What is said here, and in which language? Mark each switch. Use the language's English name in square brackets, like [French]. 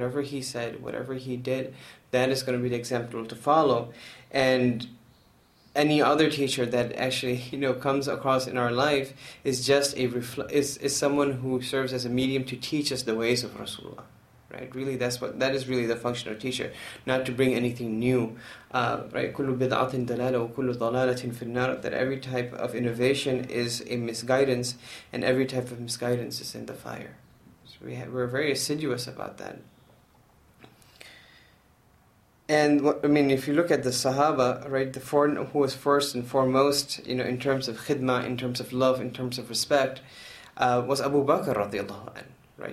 [English] Whatever he said, whatever he did, that is going to be the example to follow. And any other teacher that actually comes across in our life is just is someone who serves as a medium to teach us the ways of Rasulullah. Right, really, that is really the function of a teacher, not to bring anything new. Right, [Arabic] كل بدعة ضلالة وكل ضلالة في النار. [English] That every type of innovation is a misguidance, and every type of misguidance is in the fire. So we're very assiduous about that. And what, I mean, if you look at the Sahaba, right, the foreign who was first and foremost, in terms of khidmah, in terms of love, in terms of respect, was Abu Bakr radiallahu anhu, right?